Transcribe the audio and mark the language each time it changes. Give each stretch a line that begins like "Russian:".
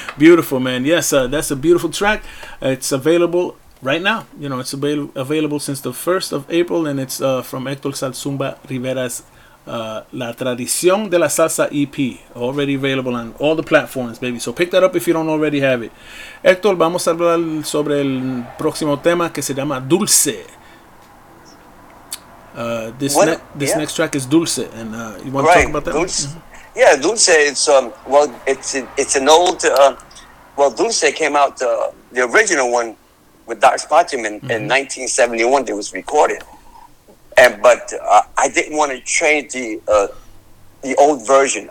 English: Beautiful, man. Yes, that's a beautiful track. It's available right now. You know, it's available since the 1st of April, and it's from Hector Zalsumba Rivera's La Tradicion de la Salsa EP, already available on all the platforms, baby. So pick that up if you don't already have it.
Spanish: Hector, vamos a hablar sobre el próximo tema que se llama Dulce.
English: Next track is Dulce, and you want to talk about that? Dulce. Mm-hmm. Yeah, Dulce. It's an old. Dulce came out the original one with Doc Spottin in 1971. It was recorded. But I didn't want to change the old version.